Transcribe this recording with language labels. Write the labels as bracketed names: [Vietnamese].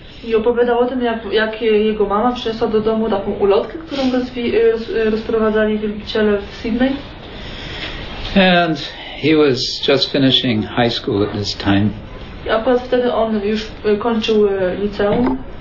[Polish] I opowiadał o tym, jak jego mama przyniosła do domu taką ulotkę, którą rozprowadzali wielbiciele w Sydney. [English] And he was just finishing high school at this time. [Polish] A potem wtedy on już kończył liceum.